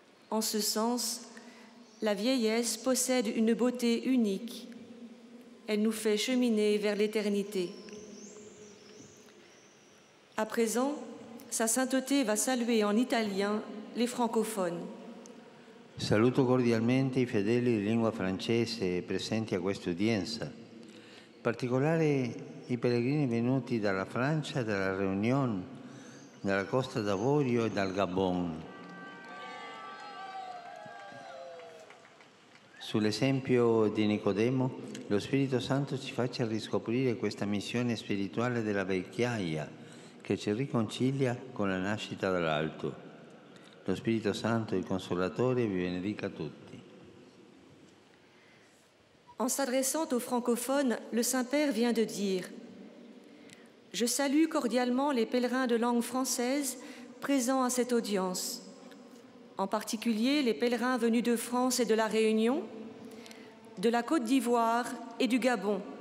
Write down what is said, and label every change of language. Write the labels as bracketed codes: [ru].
[fr] En ce sens, la vieillesse possède une beauté unique. Elle nous fait cheminer vers l'éternité. À présent, Sa Sainteté va saluer en italien les francophones. [it] Saluto cordialmente i fedeli di lingua francese presenti a questa udienza. In particolare i pellegrini venuti dalla Francia, dalla Réunion, dalla Costa d'Avorio e dal Gabon. Sull'esempio di Nicodemo, lo Spirito Santo ci faccia riscoprire questa missione spirituale della vecchiaia che ci riconcilia con la nascita dall'alto. Lo Spirito Santo, il Consolatore, vi benedica tutti. [fr] En s'adressant aux francophones, le Saint-Père vient de dire: Je salue cordialement les pèlerins de langue française présents à cette audience, en particulier les pèlerins venus de France et de la Réunion, de la Côte d'Ivoire et du Gabon.